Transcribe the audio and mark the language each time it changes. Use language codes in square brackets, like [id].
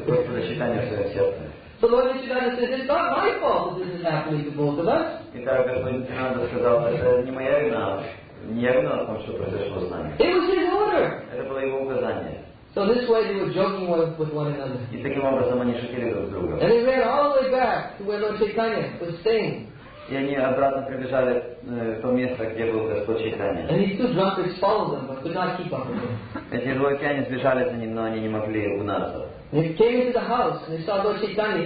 [en] So Lord Chaitanya says, it's not my fault that this is happening to both of us. It was his order. So this way they were joking with one another. And they ran all the way back to where Lord Chaitanya was staying. [ru] и они обратно прибежали в то место, где был Господь Чайтанья. Эти двойкяне сбежали за ним, но они не могли угнаться. [en] They came into the house and they saw Lord Chaitanya.